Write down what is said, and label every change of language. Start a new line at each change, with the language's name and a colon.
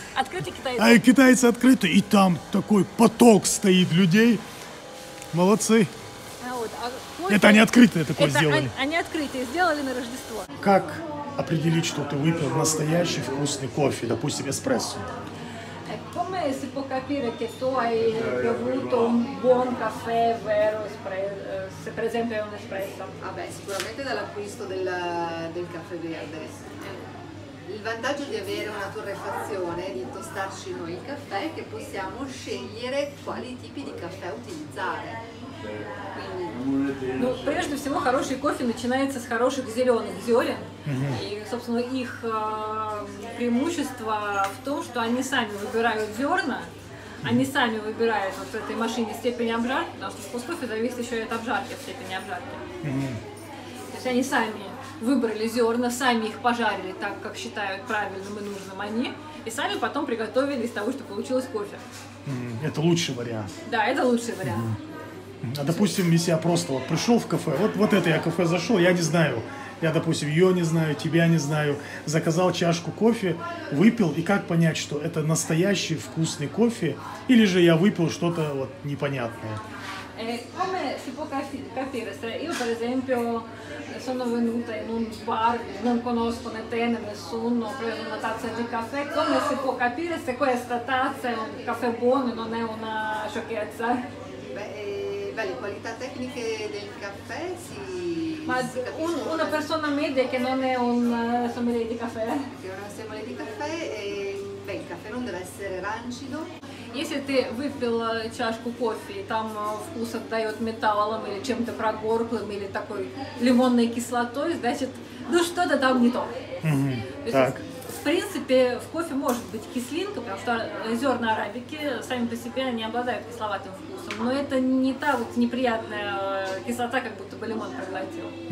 Russian: Открыты китайцы. А китайцы открыты, и там такой поток стоит людей. Молодцы. Это они открытое такое это сделали. Они открытые сделали на Рождество. Как определить, что ты выпил настоящий вкусный кофе, допустим, эспрессо?
Italian: Come si può capire che tu hai bevuto un buon caffè vero, se per esempio è un espresso? Vabbè, sicuramente dall'acquisto del caffè verde. il vantaggio di avere una torrefazione, di tostarci noi il caffè, è che possiamo scegliere quali tipi di caffè utilizzare.
Russian: Ну, прежде всего, хороший кофе начинается с хороших зеленых зерен. И, собственно, их преимущество в том, что они сами выбирают зерна, они сами выбирают вот в этой машине степень обжарки, потому что вкус кофе зависит еще и от обжарки, от степени обжарки. То есть они сами выбрали зерна, сами их пожарили так, как считают правильным и нужным они, и сами потом приготовили из того, что получилось кофе. Это лучший вариант. Да, это лучший вариант. А допустим, если я просто вот пришел в кафе, вот это я кафе зашел, я не знаю, я, допустим, ее не знаю, тебя не знаю, заказал чашку кофе, выпил, и как понять, что это настоящий вкусный кофе, или же я выпил что-то вот непонятное?
Italian: Come si può capire? Io per esempio sono venuta in un bar, non conosco né te né nessuno, ho preso una tazza di caffè, come si può capire se questa tazza è un caffè buono e non è una sciocchezza? Le qualità tecniche del caffè si. Ma si una persona media che non è un sommelier di caffè. Che è un sommelier di caffè, beh, il caffè non deve essere rancido.
Russian: Если ты выпил чашку кофе, и там вкус отдает металлом или чем-то прогорклым, или такой лимонной кислотой, значит, ну что-то там не то. Так. В принципе, в кофе может быть кислинка, потому что зерна арабики сами по себе не обладают кисловатым вкусом, но это не та вот неприятная кислота, как будто бы лимон проглотил.